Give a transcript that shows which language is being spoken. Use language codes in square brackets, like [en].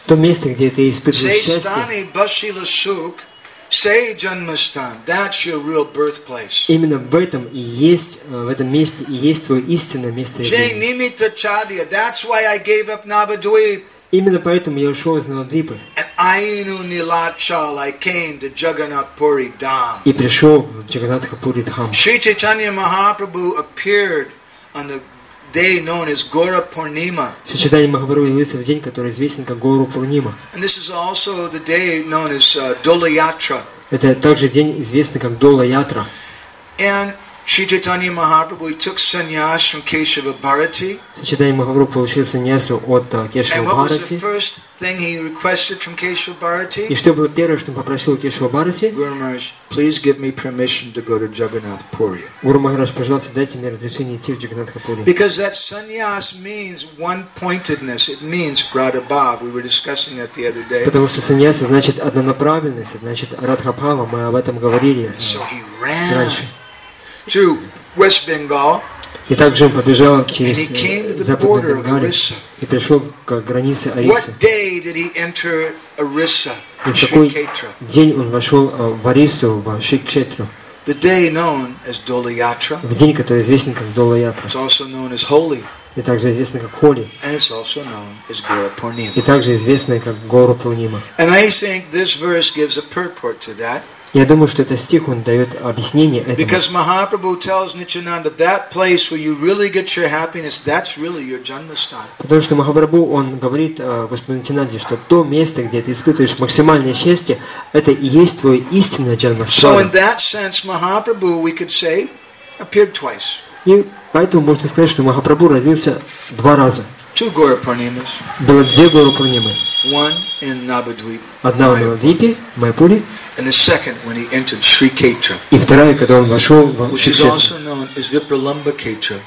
[ru] То место, где ты испытываешь счастье. [bn] Zaystani Bashila Sukh, Sejanmastan. [en] That's your real birthplace. [ru] Именно в этом и есть, в этом месте и есть твое истинное место. [bn] Jai Nimita Chadia. [en] That's why I gave up Navadvip. [ru] Именно поэтому я ушел из Навадвипы. [en] And Ainu Nilachal, I came to Jagannath Puri Dham. [ru] И пришел в Джаганнатха Пури Дхам. [en] Shri Chaitanya Mahaprabhu appeared on the day known as Gaura Purnima. [ru] Shri Chaitanya Mahaprabhu явился в день, который известен как Гаура Пурнима. [en] And this is also the day known as Dola Yatra. [ru] Это также день, известный как Дола Ятра. [en] And Shri Chaitanya Mahaprabhu took sannyas from Keshava Bharati. [ru] Shri Chaitanya Mahaprabhu получил саньясу от Кешава Бхарати. [en] And what was the first thing he requested from Keshava Bharati? [ru] И что было первое, что он попросил у Кешава Бхарати? [en] Guru Maharaj, please give me permission to go to Jagannath Puri. [ru] Guru Maharaj, пожалуйста, дайте мне разрешение идти в Джаганнатха Пури. [en] Because that sannyas means one-pointedness. It means Radha Bhava. We were discussing that the other day. [ru] Потому что саньяса значит однонаправленность, значит Радха Бхава. Мы об этом говорили. [en] So he ran. To West Bengal. [ru] И также он побежал через западную Бенгалию и пришел к границе Ориссы. [en] What day did he enter Orissa? [ru] И в какой день он вошел в Ориссу, в Шри-Кшетру? [en] The day known as Dola Yatra. [ru] В день, который известен как Дола Ятра. [en] It's also known as Holi. [ru] И также известно как Холи. [en] And it's also known as Gaura Purnima. [ru] И также известно как Гаура Пурнима. [en] And I think this verse gives a purport to that. [ru] Я думаю, что этот стих он дает объяснение этому. [en] Because Mahaprabhu tells Nityananda that place where you really get your happiness, that's really your Janmasthana. [ru] Потому что Махапрабху он говорит Господу Нитинанде, что то место, где ты испытываешь максимальное счастье, это и есть твое истинное Джанмастхана. [en] So in that sense, Mahaprabhu, we could say, appeared twice. [ru] И поэтому можно сказать, что Махапрабху родился два раза. [en] Two Guru Purnimas. [ru] Было две Гуру Пурнимы. [en] One in Navadvip. [ru] Одна в Навадвипе, в Майпуре. [en] And the second when he entered Sri Ketra. [ru] И вторая, когда он вошел в [en] Шри Кшетру. Which is also known as Vipralamba Ketra.